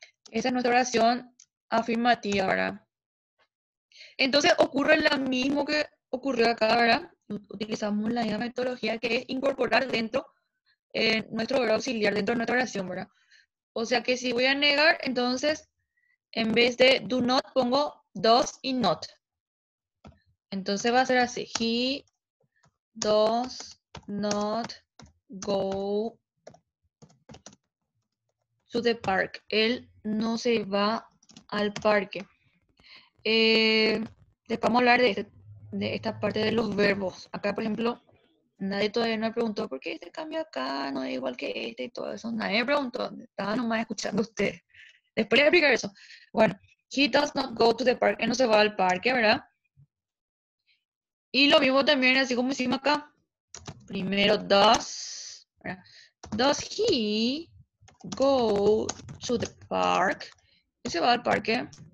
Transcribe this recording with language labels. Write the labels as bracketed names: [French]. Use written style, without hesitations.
[Spanish] Esa es nuestra oración afirmativa, ¿verdad? Entonces ocurre lo mismo que ocurrió acá, ¿verdad? Utilizamos la misma metodología que es incorporar dentro nuestro verbo auxiliar, dentro de nuestra oración, ¿verdad? O sea que si voy a negar, entonces en vez de [English] do not [Spanish] pongo does y not. Entonces va a ser así. [English] He does not go to the park. [Spanish] Él no se va al parque. Después vamos a hablar de esta parte de los verbos. Acá, por ejemplo, nadie todavía me preguntó por qué este cambio acá no es igual que este y todo eso. Nadie me preguntó. Estaba nomás escuchando a usted. Después le voy a explicar eso. Bueno, [English] he does not go to the park. [Spanish] Él no se va al parque, ¿verdad? Y lo mismo también, así como hicimos acá. Primero, does. ¿Verdad? [English] Does he go to the park? [Spanish] Él se va al parque.